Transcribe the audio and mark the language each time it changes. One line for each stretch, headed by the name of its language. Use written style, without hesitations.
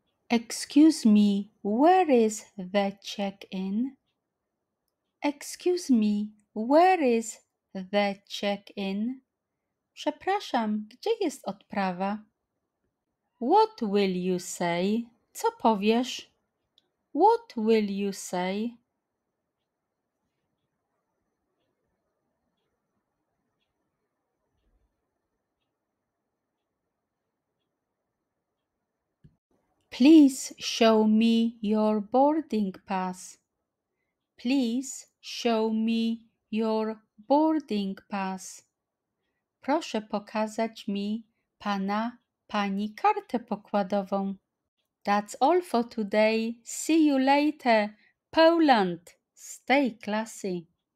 English: Excuse me, where is the check-in? Excuse me, where is the check-in?
Polish: Przepraszam, gdzie jest odprawa?
English: What will you say?
Polish: Co powiesz?
English: What will you say? Please show me your boarding pass. Please show me your boarding pass.
Polish: Proszę pokazać mi pana, pani kartę pokładową.
English: That's all for today. See you later, Poland. Stay classy.